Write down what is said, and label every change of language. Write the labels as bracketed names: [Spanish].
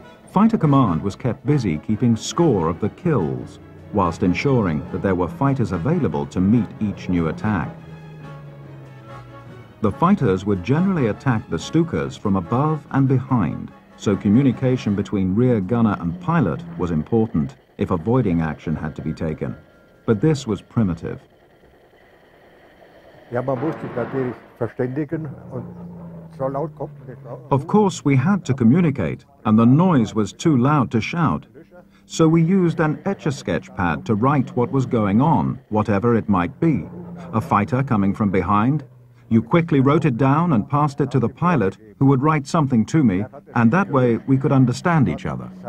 [English] Fighter Command was kept busy keeping score of the kills, whilst ensuring that there were fighters available to meet each new attack. The fighters would generally attack the Stukas from above and behind, so communication between rear gunner and pilot was important if avoiding action had to be taken. But this was primitive. [German] Ja, man muss sich natürlich verständigen und so laut kommt. [English] Of course, we had to communicate, and the noise was too loud to shout. So we used an etch-a-sketch pad to write what was going on, whatever it might be. A fighter coming from behind? You quickly wrote it down and passed it to the pilot, who would write something to me, and that way we could understand each other.